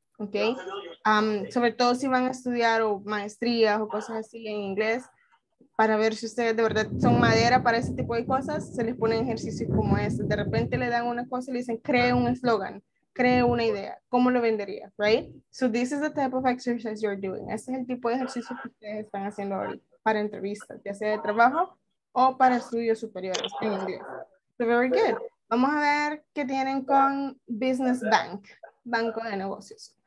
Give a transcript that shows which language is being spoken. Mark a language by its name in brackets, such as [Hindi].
[Spanish] Ok, sobre todo si van a estudiar o maestrías o cosas así en inglés, para ver si ustedes de verdad son madera para ese tipo de cosas, se les ponen ejercicios como este. De repente le dan una cosa y le dicen, cree un eslogan, cree una idea, ¿cómo lo vendería? [English] Right? So this is the type of exercise you're doing. [Spanish] Este es el tipo de ejercicio que ustedes están haciendo ahorita para entrevistas, ya sea de trabajo o para estudios superiores en inglés. [English] So very good. [Spanish] Vamos a ver qué tienen con Business Bank, Banco de Negocios.